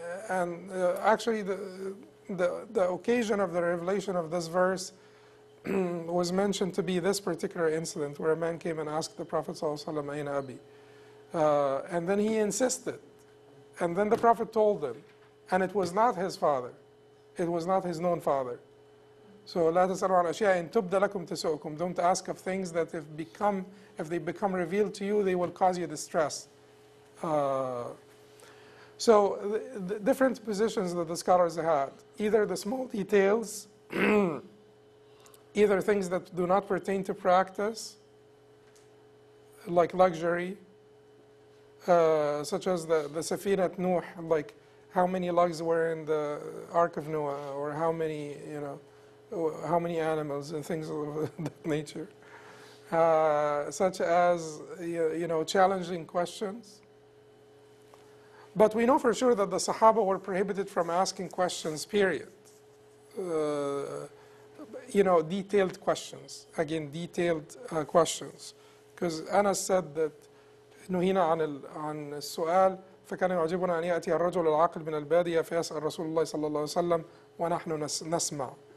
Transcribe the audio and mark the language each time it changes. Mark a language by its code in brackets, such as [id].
[en] Actually, the occasion of the revelation of this verse was mentioned to be this particular incident where a man came and asked the Prophet ﷺ, "Ayn abi," and then he insisted. And then the Prophet told them, and it was not his father. It was not his known father. [ar] So, لا تسألوا عن أشياء إن تبدى لكم تسؤكم. [en] Don't ask of things that if they become revealed to you, they will cause you distress. So, the different positions that the scholars had, either the small details, either things that do not pertain to practice, like luxury, such as the Safina at Nuh, like how many logs were in the Ark of Noah, or how many, you know, how many animals and things of that nature. Such as, you know, challenging questions. But we know for sure that the Sahaba were prohibited from asking questions, period. You know, detailed questions. Again, detailed questions. Because Anas said that [ar] نهينا عن السؤال فكان يعجبنا أن يأتي الرجل العاقل من البادية فيسأل رسول الله صلى الله عليه وسلم ونحن نسمع.